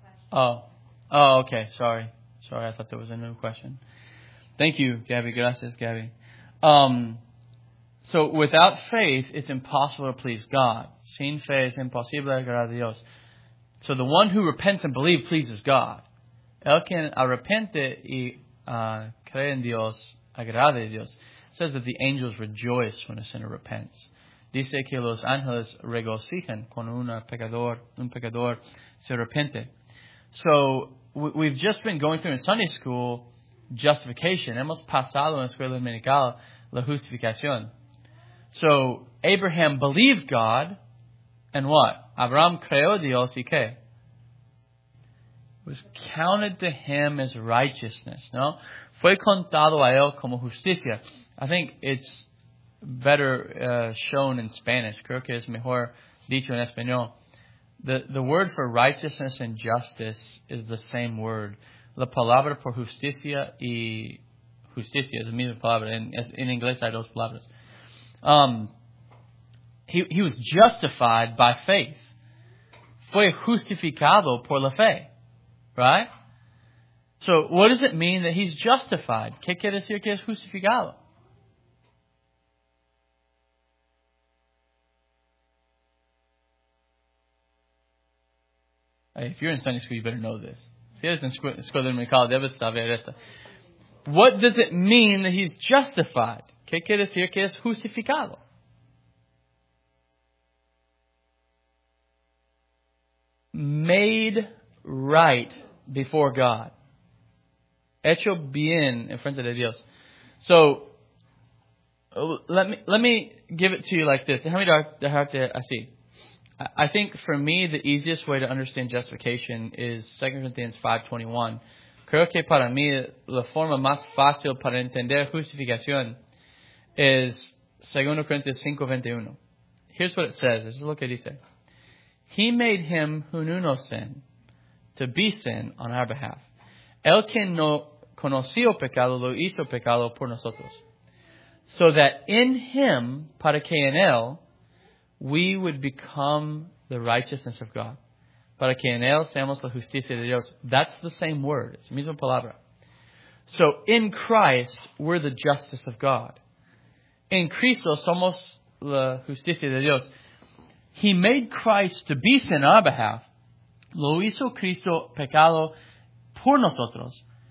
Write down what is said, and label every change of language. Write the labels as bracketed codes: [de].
[en] Oh, okay, sorry, I thought there was a new question. Thank you, Gabby, [es] gracias, Gabby. [en] So, without faith, it's impossible to please God. [es] Sin fe es imposible agradar a Dios. [en] So, the one who repents and believes pleases God. [es] El que arrepente y cree en Dios, agrada a Dios. [en] Says that the angels rejoice when a sinner repents. [es] Dice que los ángeles regocijan cuando un pecador se arrepiente. [en] So, we've just been going through in Sunday school justification. [es] Hemos pasado en la escuela dominical la justificación. [en] So, Abraham believed God, and what? [es] Abraham creó Dios y qué? [en] Was counted to him as righteousness, no? [es] Fue contado a él como justicia. [en] I think it's better shown in Spanish. [es] Creo que es mejor dicho en español. [en] The word for righteousness and justice is the same word. [es] La palabra por justicia y justicia es la misma palabra. En inglés hay dos palabras. [en] he was justified by faith. [es] Fue justificado por la fe. [en] Right? So what does it mean that he's justified? [es] ¿Qué quiere decir que es justificado? [en] Hey, if you're in Sunday school, you better know this. [es] Si eres en escuela dominical, debes saber esto. [en] What does it mean that he's justified? [es] ¿Qué quiere decir que es justificado? [en] Made right before God. [es] Hecho bien en frente de Dios. [en] So, let me give it to you like this. [es] Déjame dejarte así. [en] I think for me, the easiest way to understand justification is 2 Corinthians 5:21. [es] Creo que para mí, la forma más fácil para entender justificación es 2 Corinthians 5:21. [en] Here's what it says. This is [es] lo que dice. [en] He made him who knew no sin to be sin on our behalf. [es] El que no conoció pecado lo hizo pecado por nosotros. [en] So that in him, [es] para que en él, [en] we would become the righteousness of God. [es] Para que en él seamos la justicia de Dios. [en] That's the same word. It's the [es] misma palabra. [en] So in Christ, we're the justice of God. [es] En Cristo somos la justicia de Dios. [en] He made Christ to be sin on our behalf. [es] Lo hizo Cristo pecado por nosotros.